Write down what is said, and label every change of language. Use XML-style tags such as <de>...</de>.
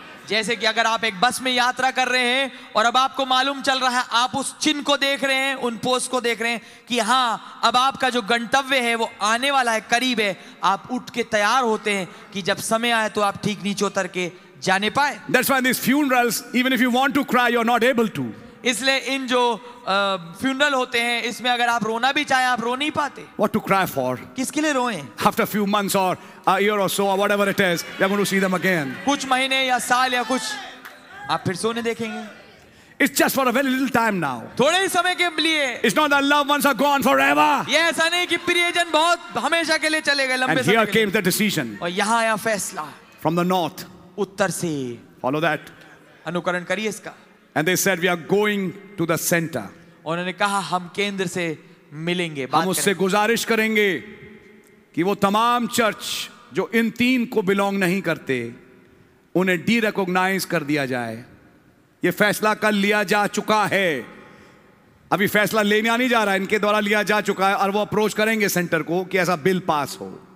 <hi>जैसे कि अगर आप एक बस में यात्रा कर रहे हैं और अब आपको मालूम चल रहा है, आप उस चिन्ह को देख रहे हैं, उन पोस्ट को देख रहे हैं कि हाँ अब आपका जो गंतव्य है वो आने वाला है, करीब है, आप उठ के तैयार होते हैं कि जब समय आए तो आप ठीक नीचे उतर के जाने पाए.</hi> <en>That's why these funerals, even if you want to cry, you're not able to.</en> <hi>इसलिए इन जो फ्यूनरल होते हैं इसमें अगर आप रोना भी चाहें आप रो नहीं पाते.</hi> <en>What to cry for?</en> <hi>किसके लिए रोएं?</hi> <en>After a few months or a year or so or whatever it is, we are going to see them again.</en> <hi>कुछ महीने या साल या कुछ आप फिर सोने देखेंगे.</hi> <en>It's just for a very little time now.</en> <hi>थोड़े ही समय के लिए.</hi> <en>It's not that loved ones are gone forever.</en> <hi>यह ऐसा नहीं कि प्रियजन बहुत हमेशा के लिए चले गए लंबे समय.</hi> <en>And here came the decision.</en> <hi>और यहाँ आया फैसला.</hi> <en>From the north.</en> <hi>उत्तर से.</hi> <en>Follow that.</en> <hi>अनुकरण करिए इसका.</hi> <en>And they said, we are going to the center.</en> <hi>उन्होंने कहा हम केंद्र से मिलेंगे, हम उससे गुजारिश करेंगे कि वो तमाम चर्च जो इन तीन को बिलोंग नहीं करते उन्हें डीरेकॉग्नाइज कर दिया जाए. ये फैसला कल लिया जा चुका है, अभी फैसला लेने आ नहीं जा रहा, इनके द्वारा लिया जा चुका है और वो अप्रोच करेंगे सेंटर को कि ऐसा बिल पास हो.</hi>